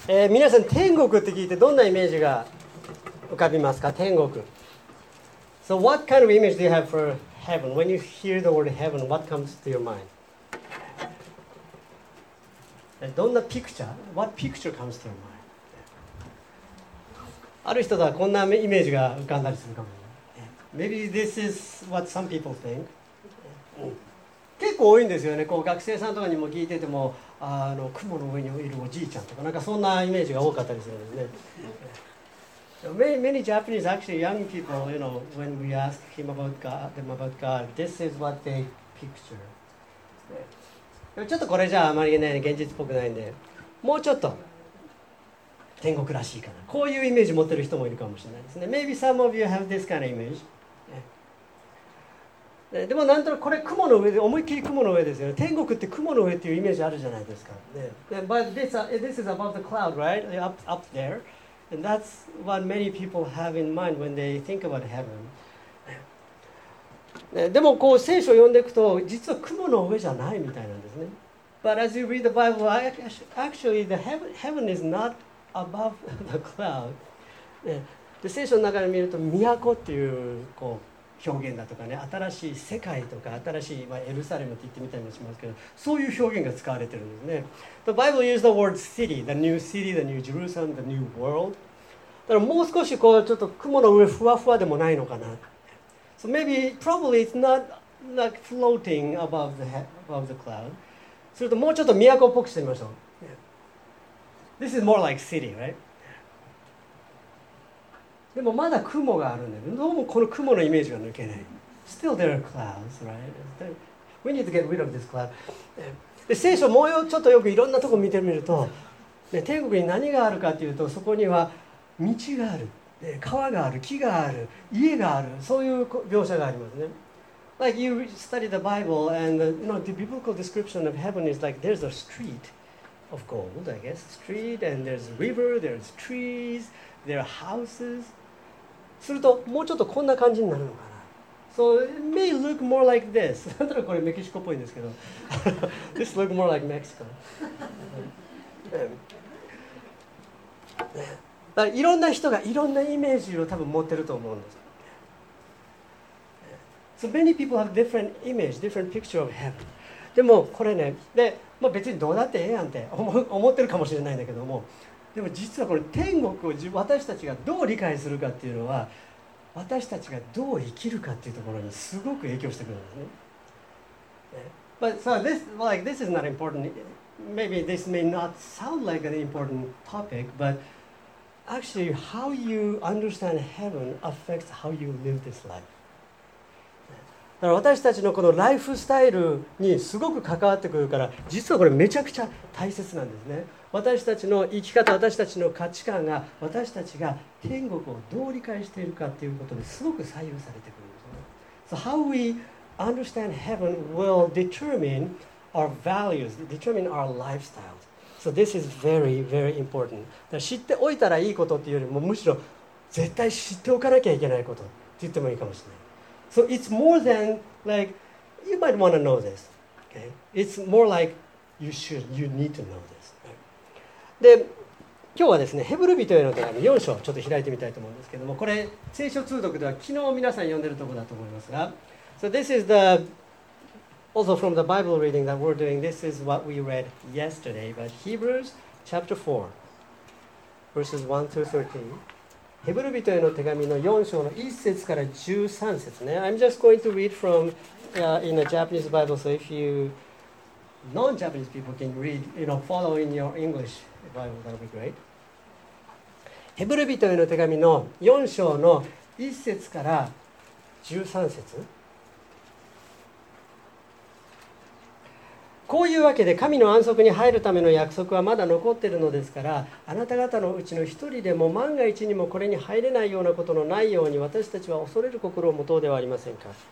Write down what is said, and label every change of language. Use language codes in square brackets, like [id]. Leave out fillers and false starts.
[ja] 皆さん、天国って聞いてどんなイメージが浮かびますか？天国。 [en] So what kind of image do you have for heaven? When you hear the word heaven, what comes to your mind? [ja] どんなピクチャー？ [en] What picture comes to your mind? [ja] ある人はこんなイメージが浮かんだりするかも。 [en] Maybe this is what some people think. [ja] 結構多いんですよね。こう学生さんとかにも聞いてても、あの雲の上にいるおじいちゃんとか、なんかそんなイメージが多かったりするんですね。 [en] Many Japanese, actually young people, you know, when we ask him about God, them about God, this is what they picture. [ja] ちょっとこれじゃあまりね、現実っぽくないんで、もうちょっと天国らしいかな。こういうイメージ持ってる人もいるかもしれないですね。 [en] Maybe some of you have this kind of image. [ja] でもなんとなくこれ雲の上で、思いっきり雲の上ですよね。天国って雲の上っていうイメージあるじゃないですか。 [en] ね、But this is above the cloud, right? Up there. And that's what many people have in mind when they think about heaven.、 [ja] ね、でもこう聖書を読んでいくと、実は雲の上じゃないみたいなんですね。 [en] But as you read the Bible, actually the heaven is not above the cloud.、 [ja] ね、で聖書の中で見ると、都っていうこう、表現だとかね、新しい世界とか新しい、まあ、エルサレムって言ってみたりもしますけど、そういう表現が使われてるんですね。 [en] The Bible used the word city, the new city, the new Jerusalem, the new world. [ja] だからもう少しこうちょっと雲の上ふわふわでもないのかな。 [en] So maybe, probably it's not like floating above the cloud. [ja] するともうちょっと都っぽくしてみましょう。 [en] This is more like city, right? [ja] でもまだ雲があるんだよ。どうもこの雲のイメージが抜けない。 [en] Still there are clouds, right? We need to get rid of this cloud. [ja] で聖書もうちょっとよくいろんなとこ見てみると、ね、天国に何があるかというと、そこには道がある、ね、川がある、木がある、家がある、そういう描写がありますね。 [en] Like you study the Bible and the, you know, the biblical description of heaven is like there's a street of gold, I guess, street, and there's a river, there's trees,Their houses. [ja] するともうちょっとこんな感じになるのかな。 [en] So it may look more like this. [ja] なんとなくこれメキシコっぽいんですけど。 [en] This look more like Mexico. [ja] だからいろんな人がいろんなイメージを多分持ってると思うんです。 [en] So many people have different image, different picture of heaven. [ja] でもこれね、で、まあ、別にどうだってええやんって思ってるかもしれないんだけども。でも実はこれ天国を私たちがどう理解するかっていうのは、私たちがどう生きるかっていうところにすごく影響してくるんですね。 [en] But so this, like, this is not important. Maybe this may not sound like an important topic, but actually how you understand heaven affects how you live this life. [ja] だから私たちのこのライフスタイルにすごく関わってくるから、実はこれめちゃくちゃ大切なんですね。私たちの生き方、私たちの価値観が、私たちが天国をどう理解しているかということですごく左右されてくるんですね。 [en] So how we understand heaven will determine our values, determine our lifestyles. So this is very, very important. [ja] だから知っておいたらいいことっていうよりも、むしろ絶対知っておかなきゃいけないことって言ってもいいかもしれない。 [en] So it's more than like, you might want to know this. Okay? It's more like, you should, you need to know this. [ja] で今日はですね、ヘブル人への手紙4章ちょっと開いてみたいと思うんですけども、これ聖書通読では昨日皆さん読んでるところだと思いますが、 [en] So this is the also from the Bible reading that we're doing. This is what we read yesterday, but Hebrews chapter 4 verses 1 through 13. [ja] ヘブル人への手紙の4章の1節から13節ね。 [en] I'm just going to read from in a Japanese Bible, so if youNon-Japanese people can read, you know, following your English Bible, that would be great. [ja] ヘブル人への手紙の4章の1節から13節。こういうわけで神の安息に入るための約束はまだ残っているのですから、あなた方のうちの一人でも万が一にもこれに入れないようなことのないように私たちは恐れる心を持とうではありませんか。